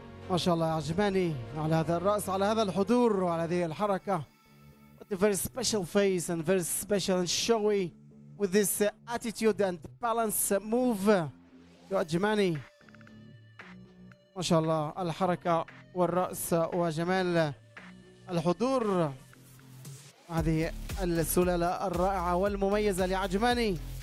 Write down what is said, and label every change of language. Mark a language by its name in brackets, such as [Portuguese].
[Arabic] ما شاء الله عجباني على هذا الرأس على هذا الحضور وعلى هذه الحركة. [English] What a very special face and very special and showy with this attitude and balance move. [Arabic] يا عجباني ما شاء الله الحركة والرأس وجمال الحضور هذه السلالة الرائعة والمميزة لعجباني.